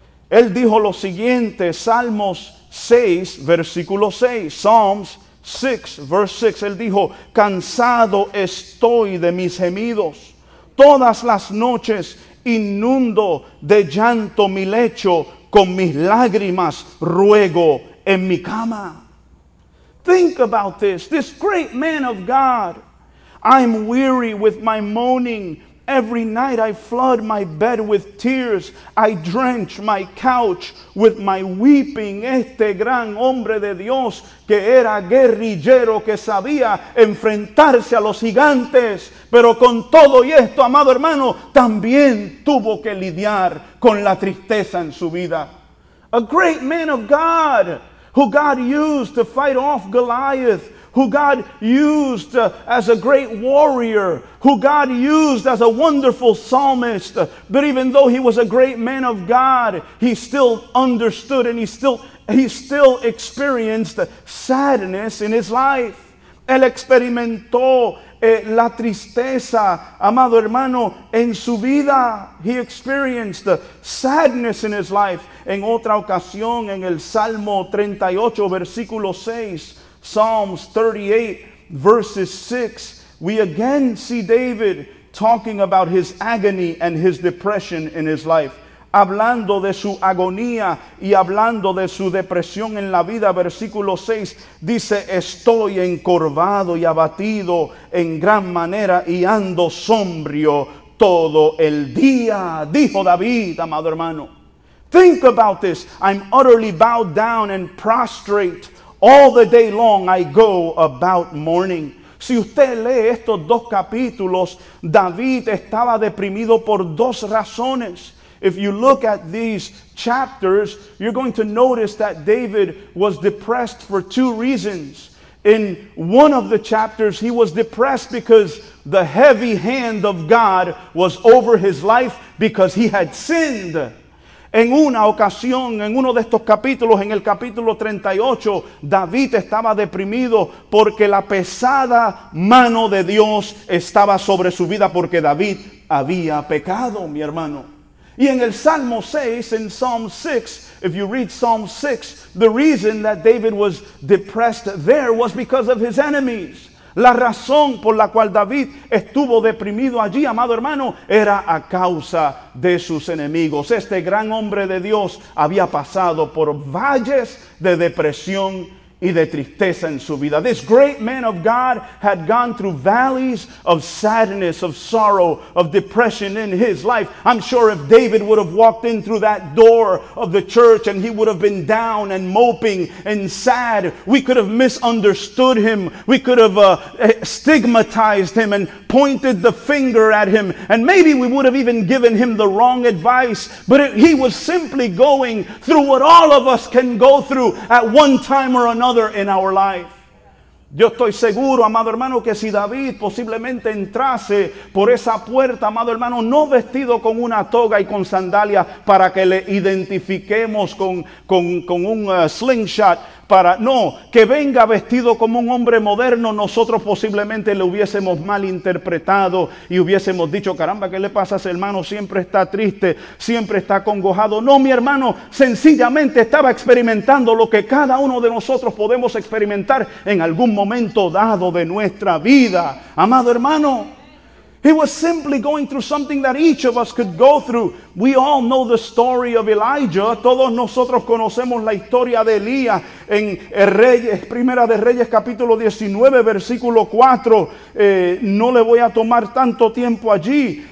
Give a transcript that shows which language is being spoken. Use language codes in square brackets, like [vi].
[es] Él dijo lo siguiente, Salmos 6, versículo 6, [en] Psalms 6, verse 6. [es] Él dijo, cansado estoy de mis gemidos. Todas las noches inundo de llanto mi lecho, con mis lágrimas ruego en mi cama. [en] Think about this, this great man of God. I'm weary with my moaning. Every night I flood my bed with tears. I drench my couch with my weeping. [es] Este gran hombre de Dios que era guerrillero, que sabía enfrentarse a los gigantes. Pero con todo y esto, amado hermano, también tuvo que lidiar con la tristeza en su vida. [en] A great man of God, who God used to fight off Goliath, who God used as a great warrior, who God used as a wonderful psalmist. But even though he was a great man of God, he still understood and he still experienced sadness in his life. [es] Él experimentó la tristeza, amado hermano, en su vida. [en] He experienced sadness in his life. [es] En otra ocasión, en el Salmo 38, versículo 6, [en] Psalms 38, verses 6, we again see David talking about his agony and his depression in his life. [es] Hablando de su agonía y hablando de su depresión en la vida, versículo 6, dice, estoy encorvado y abatido en gran manera y ando sombrío todo el día, dijo David, amado hermano. [en] Think about this, I'm utterly bowed down and prostrate. All the day long I go about mourning. [es] Si usted lee estos dos capítulos, David estaba deprimido por dos razones. [en] If you look at these chapters, you're going to notice that David was depressed for two reasons. In one of the chapters, he was depressed because the heavy hand of God was over his life because he had sinned. [es] En una ocasión, en uno de estos capítulos, en el capítulo 38, David estaba deprimido porque la pesada mano de Dios estaba sobre su vida porque David había pecado, mi hermano. Y en el Salmo 6, en [en] Psalm 6, if you read Psalm 6, the reason that David was depressed there was because of his enemies. [es] La razón por la cual David estuvo deprimido allí, amado hermano, era a causa de sus enemigos. Este gran hombre de Dios había pasado por valles de depresión y de tristeza en su vida. [en] This great man of God had gone through valleys of sadness, of sorrow, of depression in his life. I'm sure if David would have walked in through that door of the church and he would have been down and moping and sad, we could have misunderstood him. We could have stigmatized him and pointed the finger at him. And maybe we would have even given him the wrong advice. But he was simply going through what all of us can go through at one time or another in our life. [es] Yo estoy seguro, amado hermano, que si David posiblemente entrase por esa puerta, amado hermano, no vestido con una toga y con sandalias para que le identifiquemos con un slingshot, para no, que venga vestido como un hombre moderno, nosotros posiblemente le hubiésemos malinterpretado y hubiésemos dicho, caramba, ¿qué le pasa a ese hermano? Siempre está triste, siempre está acongojado. No, mi hermano, sencillamente estaba experimentando lo que cada uno de nosotros podemos experimentar en algún momento dado de nuestra vida. Amado hermano, [en] he was simply going through something that each of us could go through. We all know the story of Elijah. [es] Todos nosotros conocemos la historia de Elías en Reyes, Primera de Reyes, capítulo 19, versículo 4. No le voy a tomar tanto tiempo allí.